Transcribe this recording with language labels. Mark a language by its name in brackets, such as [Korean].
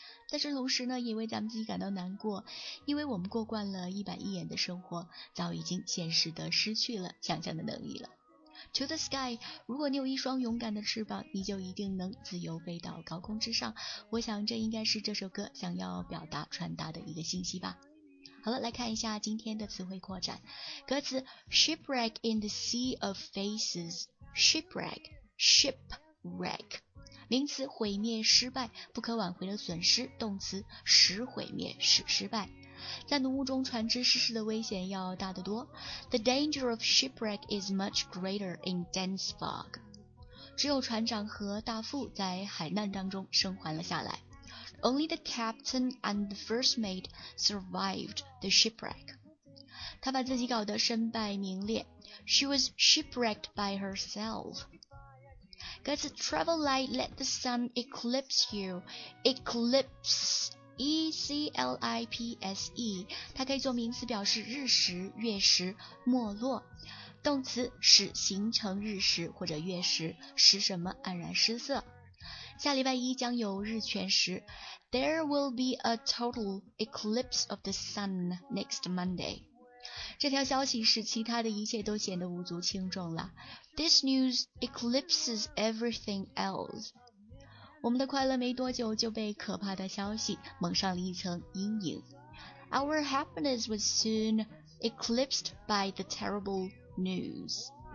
[Chinese] 但是同时呢，也为咱们自己感到难过，因为我们过惯了一板一眼的生活，早已经现实的失去了想象的能力了。 [English] To the sky, [Chinese] 如果你有一双勇敢的翅膀，你就一定能自由飞到高空之上。我想这应该是这首歌想要表达传达的一个信息吧。好了，来看一下今天的词汇扩展。歌词 [English] Shipwreck in the sea of faces, Shipwreck, ship [Chinese] wreck， 名词毁灭失败，不可挽回的损失，动词使毁灭使失败。在浓雾中船只失事的危险要大得多。 [English] The danger of shipwreck is much greater in dense fog， [Chinese] 只有船长和大副在海难当中生还了下来。 [English] Only the captain and the first mate survived the shipwreck， [Chinese] 他把自己搞得身败名裂。 [English] She was shipwrecked by herself。 [Chinese] 歌词 [English] Travel light, let the sun eclipse you. [Chinese] Eclipse, E-C-L-I-P-S-E， 它可以做名词表示日食、月食、没落，动词使形成日食或者月食，使什么黯然失色。下礼拜一将有日全食。 [English] There will be a total eclipse of the sun next Monday。 [Chinese] 这条消息使其他的一切都显得无足轻重了。 [English] This news eclipses everything else， [Chinese] 我们的快乐没多久就被可怕的消息蒙上了一层阴影。 [English] Our happiness was soon eclipsed by the terrible news。